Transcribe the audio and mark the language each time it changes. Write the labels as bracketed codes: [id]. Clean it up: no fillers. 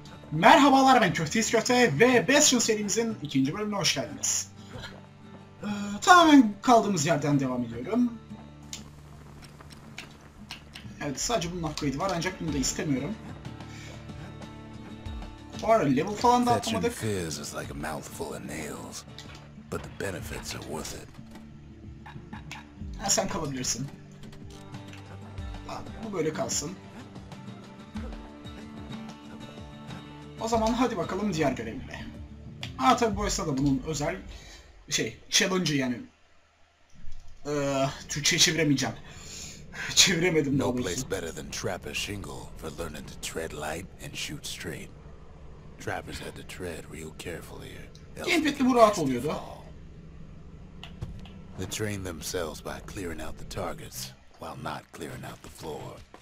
[tr] Merhabalar, ben Köfteyiz Köfte ve Bastion serimizin ikinci bölümüne hoş geldiniz. Tamamen kaldığımız yerden devam ediyorum. Evet, sadece bunun upgrade'i var ancak bunu da istemiyorum. Bu ara level falan da atamadık. [en] Fears is like a mouthful of nails, but the benefits are worth it. [tr] Ha, sen kalabilirsin. Bu böyle kalsın. O zaman hadi bakalım diğer görevime. Aa, tabi bu esna da bunun özel şey, challenge'ı yani. Türkçe çeviremeyeceğim. Çeviremedim [en] no place better than Trapper Shingle for learning to tread light and shoot straight. Trappers had to tread real carefully. [tr] Gameplay'de bu rahat oluyordu. [en] They train themselves by clearing out the targets while not clearing out the floor.